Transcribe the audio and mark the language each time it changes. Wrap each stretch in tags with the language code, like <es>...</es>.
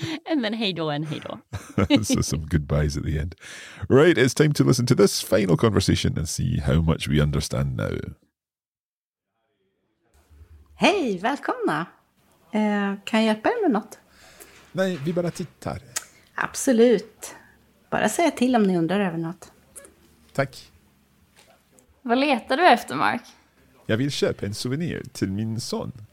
<en>And then hej då and hej då. So some goodbyes at the end. Right, it's time to listen to this final conversation and see how much we understand now.</en> <sv>Hej, välkomna. Kan jag hjälpa er med något? Nej, vi bara tittar. Absolut. Bara säga till om ni undrar över något. Tack. Vad letar du efter, Mark? Jag vill köpa en souvenir till min son.</sv>